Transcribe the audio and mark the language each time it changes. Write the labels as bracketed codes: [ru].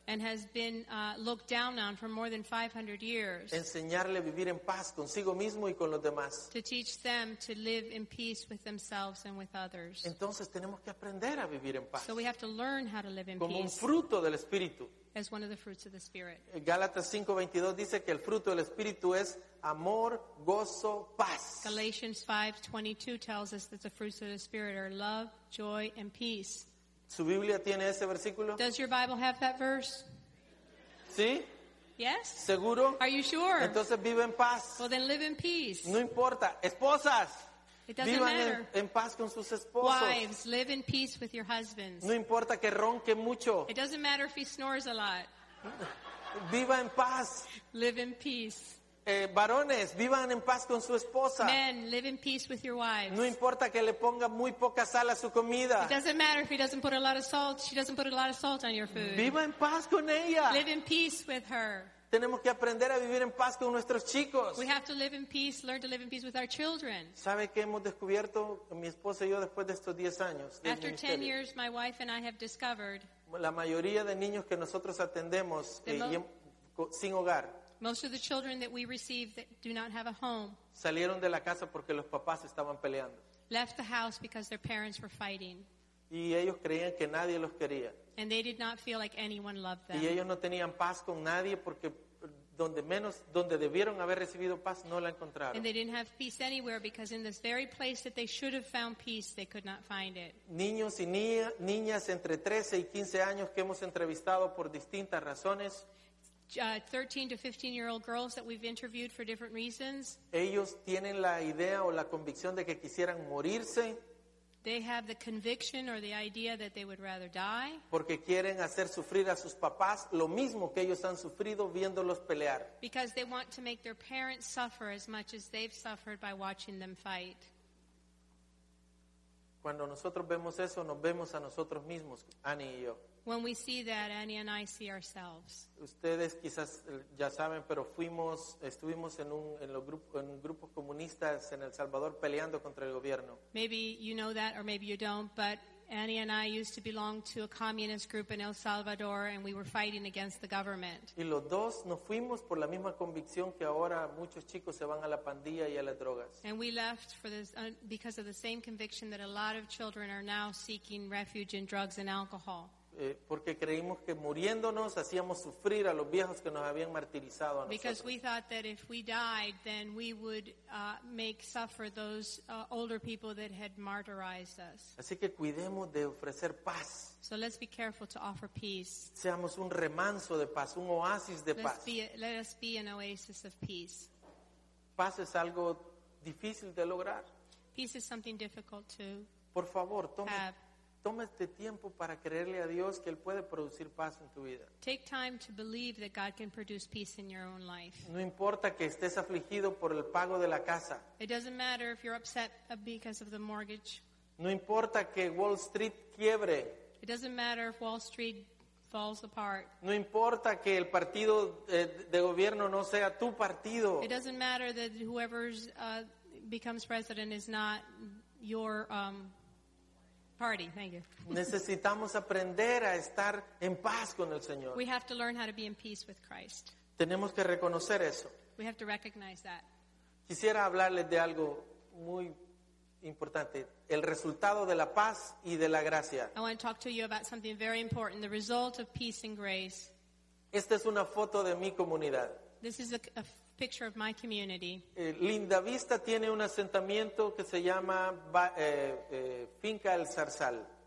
[en] and has been looked down on for more than 500 years, [es] enseñarle a vivir en paz consigo mismo y con los demás, [en] to teach them to live in peace with themselves and with others. [es] Entonces tenemos que aprender a vivir en paz. [en] So we have to learn how to live in [es] como [en] peace. [es] Como un fruto del Espíritu. [en] As one of the fruits of the Spirit. [es] Gálatas 5:22 dice que el fruto del Espíritu es amor, gozo, paz. [en] Galatians 5:22 tells us that the fruits of the Spirit are love, joy, and peace. [es] ¿Su Biblia tiene ese versículo? [en] Does your Bible have that verse? [es] ¿Sí? [en] Yes? [es] ¿Seguro? [en] Are you sure? [es] Entonces vive en paz. [en] Well, then live in peace. [es] No importa. Esposas. [en] It doesn't [es] vivan [en] matter. [es] En paz con sus esposos. [en] Wives, live in peace with your husbands. [es] No importa que ronque mucho. [en] It doesn't matter if he snores a lot. [es] Viva en paz. [en] Live in peace. [es] Varones, vivan en paz con su esposa. [en] Men, live in peace with your wives. [es] No importa que le ponga muy poca sal a su comida. [en] It doesn't matter if he doesn't put a lot of salt. She doesn't put a lot of salt on your food. [es] Viva en paz con ella. [en] Live in peace with her. [es] Tenemos que aprender a vivir en paz con nuestros chicos. [en] We have to live in peace, learn to live in peace with our children. [es] ¿Sabe qué hemos descubierto mi esposa y yo después de estos 10 años? [en] After 10 years, my wife and I have discovered [es] la mayoría de niños que nosotros atendemos sin hogar. [en] Most of the children that we receive that do not have a home. [es] Salieron de la casa porque los papás estaban peleando. [en] Left the house because their parents were fighting. [es] Y ellos creían que nadie los quería. [en] And they did not feel like anyone loved them. [es] Y ellos no tenían paz con nadie porque donde debieron haber recibido paz no la encontraron. [en] And they didn't have peace anywhere because in this very place that they should have found peace, they could not find it. [es] Niños y niñas entre 13 y 15 años que hemos entrevistado por distintas razones. [en] 13 to 15 year old girls that we've interviewed for different reasons. [es] Ellos tienen la idea o la convicción de que quisieran morirse. [en] They have the conviction or the idea that they would rather die. [es] Porque quieren hacer sufrir a sus papás lo mismo que ellos han sufrido viéndolos pelear. [en] Because they want to make their parents suffer as much as they've suffered by watching them fight. [es] Cuando nosotros vemos eso, nos vemos a nosotros mismos, Annie y yo. [en] When we see that, Annie and I see ourselves. [es] Ustedes quizás ya saben, pero estuvimos en grupos comunistas en El Salvador peleando contra el gobierno. [en] Maybe you know that or maybe you don't, but Annie and I used to belong to a communist group in El Salvador and we were fighting against the government. [es] Y los dos nos fuimos por la misma convicción que ahora muchos chicos se van a la pandilla y a las drogas. [en] And we left for this because of the same conviction that a lot of children are now seeking refuge in drugs and alcohol. [es] Porque creímos que muriéndonos hacíamos sufrir a los viejos que nos habían martirizado a nosotros. [en] Because we thought that if we died, then we would make suffer those older people that had martyrized us. [es] Así que cuidemos de ofrecer paz. [en] So let's be careful to offer peace. [es] Seamos un remanso de paz, un oasis de paz. [en] Let us be an oasis of peace. [es] Paz es algo difícil de lograr. [en] Peace is something difficult to [es] por favor, [en] have. [es] Toma este tiempo para creerle a Dios que Él puede producir paz en tu vida. [en] Take time to believe that God can produce peace in your own life. [es] No importa que estés afligido por el pago de la casa. [en] It doesn't matter if you're upset because of the mortgage. [es] No importa que Wall Street quiebre. [en] It doesn't matter if Wall Street falls apart. [es] No importa que el partido de gobierno no sea tu partido. [en] It doesn't matter that whoever becomes president is not your Party, thank you. [es] Necesitamos aprender a estar en paz con el Señor. [en] We have to learn how to be in peace with Christ. [es] Tenemos que reconocer eso. [en] We have to recognize that. [es] Quisiera hablarles de algo muy importante, el resultado de la paz y de la gracia. [en] I want to talk to you about something very important, the result of peace and grace. [es] Esta es una foto de mi comunidad. [en] This is a picture of my community. [es] Linda Vista tiene un asentamiento que se llama Finca El Zarzal.